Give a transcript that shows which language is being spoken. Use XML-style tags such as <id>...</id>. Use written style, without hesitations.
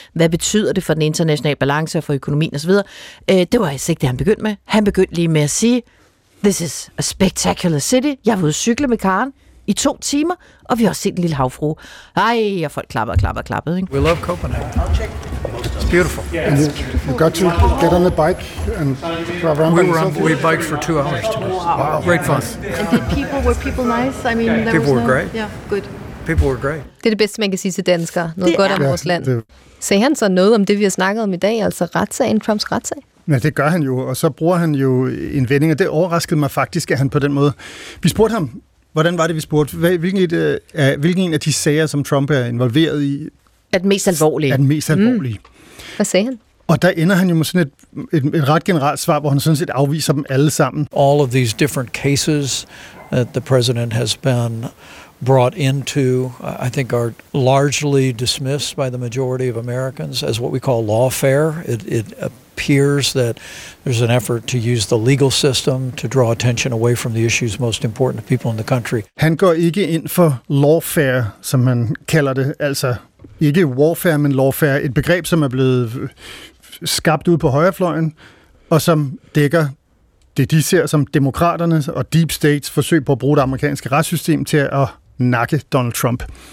<da>Hvad betyder det for den internationale balance og for økonomien osv.? Det var altså ikke det, han begyndte med. Han begyndte lige med at sige...</da> <en>This is a spectacular city.</en> <da>Jeg har været ude at cykle med Karen i 2 timer, og vi har også set en lille havfrue. Ej, og folk klapper og klapper og klapper, ikke?</da> <en>We love Copenhagen. It's beautiful. And you got to get on the bike and drive around. We biked for 2 hours today. Wow. Great fun. And were people nice? I mean, there people was were no, great. Yeah, good. People were great.</en> <da>Det er det bedste, man kan sige til danskere. Noget godt om vores land. Sagde han så noget om det, vi har snakket om i dag, altså retssagen, Trumps retssag? Ja, det gør han jo, og så bruger han jo en vending, og det overraskede mig faktisk, at han på den måde... Vi spurgte ham, hvordan var det, vi spurgte? Hvilken en af de sager, som Trump er involveret i... Er den mest alvorlige? Er den mest alvorlige. Mm. Hvad sagde han? Og der ender han jo med sådan et ret generelt svar, hvor han sådan set afviser dem alle sammen.</da> <en>All of these different cases that the president has been brought into, I think, are largely dismissed by the majority of Americans as what we call lawfare. It appears that there's an effort to use the legal system to draw attention away from the issues most important to people in the country.</en> <da>Han går ikke ind for lawfare, som man kalder det, altså ikke warfare, men lawfare, et begreb, som er blevet skabt ud på højrefløjen, og som dækker det, de ser som demokraterne og deep states forsøg på at bruge det amerikanske retssystem til at nakke Donald Trump.</da>